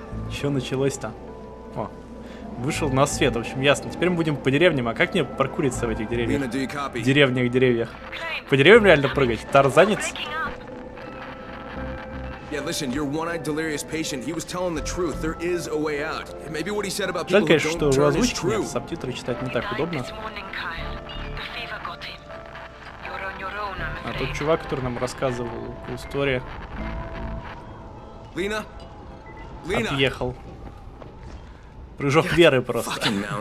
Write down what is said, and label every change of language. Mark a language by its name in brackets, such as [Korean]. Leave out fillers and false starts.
[Russian] Что началось-то? О, вышел на свет, в общем, ясно. Теперь мы будем по деревням, а как мне паркуриться в этих деревьях? Деревьях. По деревьям реально прыгать? Тарзанец? [English] Yeah, listen, your one-eyed delirious patient, he was telling the truth. There is a way out. Maybe what he said about people who don't turn is true. [Russian] Жаль, конечно, что в озвучке субтитры читать не так удобно. А тот чувак, который нам рассказывал историю, Лина? Лина? Отъехал. Прыжок веры просто.